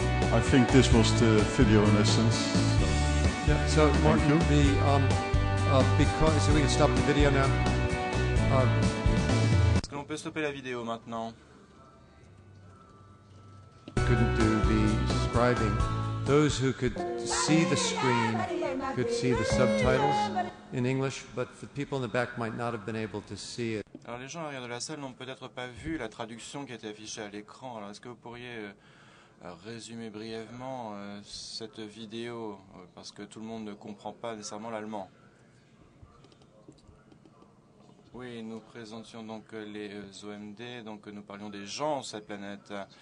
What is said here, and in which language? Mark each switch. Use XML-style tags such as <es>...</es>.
<en>I think this was the video in essence. Yeah. So, Martin, because we can stop the video now.</en> <fr>Est-ce qu'on peut stopper la vidéo maintenant?</fr> <en>Couldn't do the subscribing. Those who could see the screen could see the subtitles in English, but the people in the back might not have been able to see it.</en> <fr>Alors, les gens arrière de la salle n'ont peut-être pas vu la traduction qui était affichée à l'écran. Alors, est-ce que vous pourriez résumer brièvement cette vidéo, parce que tout le monde ne comprend pas nécessairement l'allemand. Oui, nous présentions donc les OMD, donc nous parlions des gens sur cette planète.</fr>